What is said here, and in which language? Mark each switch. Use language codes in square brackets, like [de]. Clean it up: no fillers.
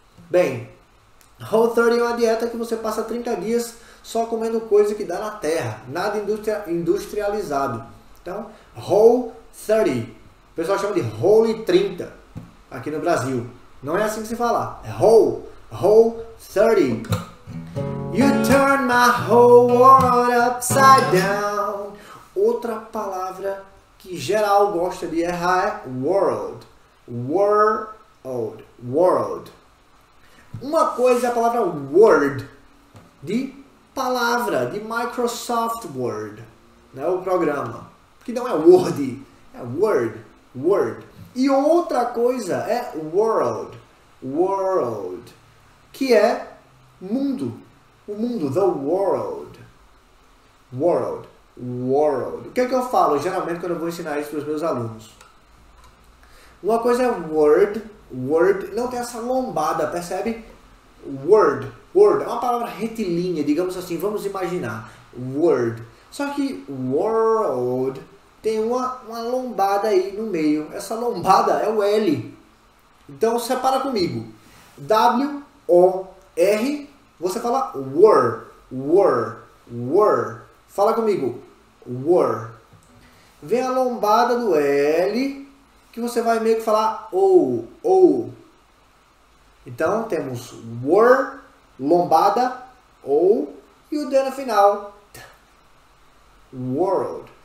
[pt] Bem, Whole30 é uma dieta que você passa 30 dias só comendo coisa que dá na terra, nada industrializado. Então, Whole30. O pessoal chama de Whole 30 aqui no Brasil. Não é assim que se fala. É Whole30. [en] You turn my whole world upside down. [pt] Outra palavra que geral gosta de errar é world. World. World. Uma coisa é a palavra Word, de palavra, de Microsoft Word, né? O programa, que não é Word, é Word, Word. E outra coisa é World, World, que é mundo, o mundo, the world, world. World. O que é que eu falo geralmente quando eu vou ensinar isso para os meus alunos? Uma coisa é word, word, não tem essa lombada, percebe? Word, word, é uma palavra retilínea, digamos assim, vamos imaginar. Word. Só que world tem uma lombada aí no meio. Essa lombada é o L. Então, separa comigo. W, O, R, você fala were, were, were. Fala comigo. Were. Vem a lombada do L, que você vai meio que falar ou, ou. Então, temos were, lombada, ou, e o D no final. World.